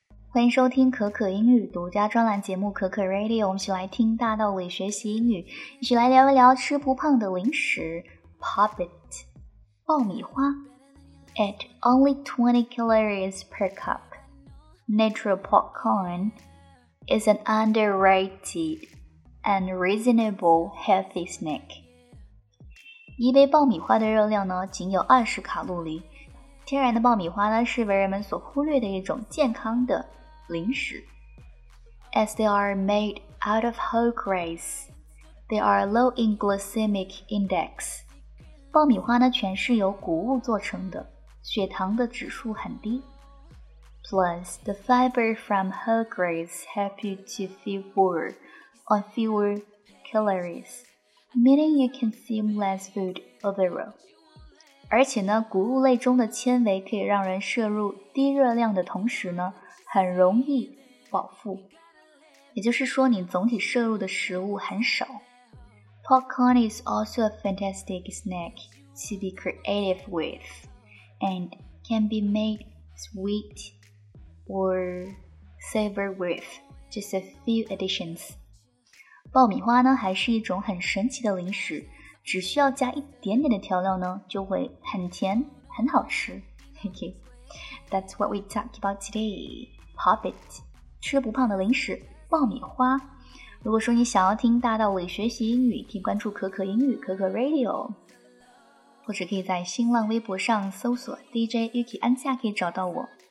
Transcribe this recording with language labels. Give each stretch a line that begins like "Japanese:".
Chinese: 欢迎收听可可英语独家专栏节目可可 Radio， 我们一起来听大道理学习英语，一起来聊一聊吃不胖的零食 Poppit 爆米花
English: At only 20 calories per cup Natural popcorn is an underrated and reasonable healthy snack。
Chinese: 一杯爆米花的热量呢仅有20卡路里，天然的爆米花呢是被人们所忽略的一种健康的零食。
English: As they are made out of whole grains, they are low in glycemic index.
Chinese: 爆米花呢全是由谷物做成的，血糖的指数很低。
English: Plus, the fiber from whole grains help you to feel full on fewer calories, meaning you can consume less food overall.
Chinese: 而且呢，谷物类中的纤维可以让人摄入低热量的同时呢很容易饱腹，也就是说你总体摄入的食物很少。
English: Popcorn is also a fantastic snack to be creative with and can be made sweet or savor with just a few additions.
Chinese: 爆米花呢还是一种很神奇的零食，只需要加一点点的调料呢就会很甜很好吃。
English: Thank you. That's what we talk about todayPoppit
Chinese: 吃不胖的零食爆米花。如果说你想要听大道理学习英语，可以关注可可英语可可 Radio， 或者可以在新浪微博上搜索 DJ Yuki 安夏，可以找到我。